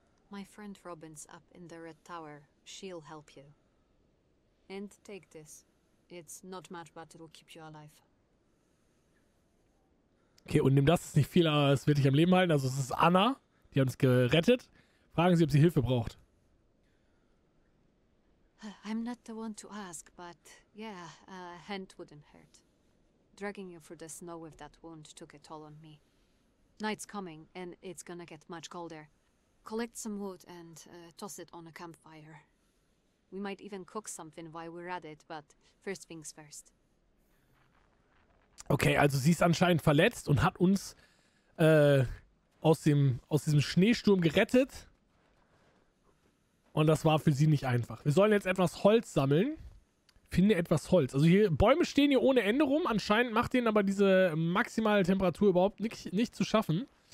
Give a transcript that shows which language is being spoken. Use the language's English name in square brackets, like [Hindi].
[English] My friend Robin's up in the Red Tower. She'll help you. And take this. It's not much, but it'll keep you alive. [German] Okay, und nimm das. Ist nicht viel, aber es wird dich am Leben halten. Also es ist Anna. Die hat uns gerettet. Fragen Sie, ob sie Hilfe braucht. [English] I'm not the one to ask, but yeah, a hand wouldn't hurt. Dragging you through the snow with that wound took a toll on me. Night's coming, and it's gonna get much colder. Collect some wood and toss it on a campfire. We might even cook something while we're at it, but first things first. [German] Okay, also sie ist anscheinend verletzt und hat uns aus diesem Schneesturm gerettet. Und das war für sie nicht einfach. Wir sollen jetzt etwas Holz sammeln. Finde etwas Holz. Also hier Bäume stehen hier ohne Ende rum. Anscheinend macht denen aber diese maximale Temperatur überhaupt nicht zu schaffen.